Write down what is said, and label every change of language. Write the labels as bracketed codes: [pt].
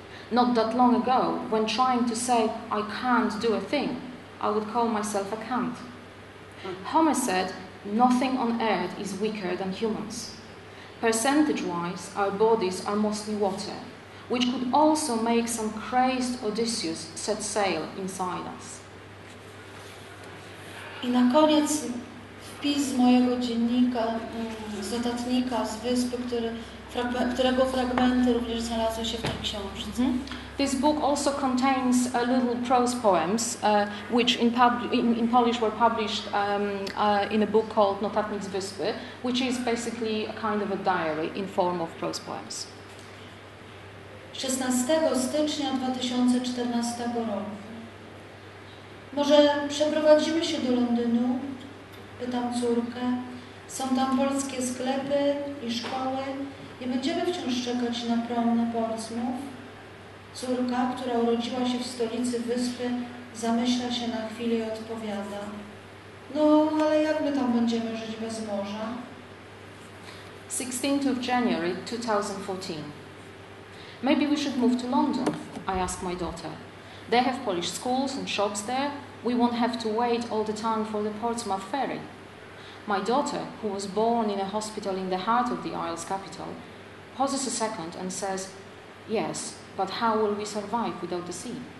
[en] Not that long ago, when trying to say I can't do a thing, I would call myself a cunt. Homer said, nothing on earth is weaker than humans. Percentage-wise, our bodies are mostly water, which could also make some crazed Odysseus set sail inside us. [pl] I na koniec wpis z mojego dziennika, z notatnika, z wyspy, którego fragmenty również znalazły się w tej książce. Mm-hmm. [en] This book also contains a little prose poems, which in Polish were published in a book called Notatnik z Wyspy, which is basically a kind of a diary in form of prose poems. [pl] 16 stycznia 2014 roku. Może przeprowadzimy się do Londynu? Pytam córkę. Są tam polskie sklepy i szkoły. Nie będziemy wciąż czekać na prom na Portsmouth. Córka, która urodziła się w stolicy wyspy, zamyśla się na chwilę i odpowiada. No, ale jak my tam będziemy żyć bez morza? [en] 16th of January 2014. Maybe we should move to London, I ask my daughter. They have Polish schools and shops there. We won't have to wait all the time for the Portsmouth ferry. My daughter, who was born in a hospital in the heart of the Isles capital, pauses a second and says, yes, but how will we survive without the sea?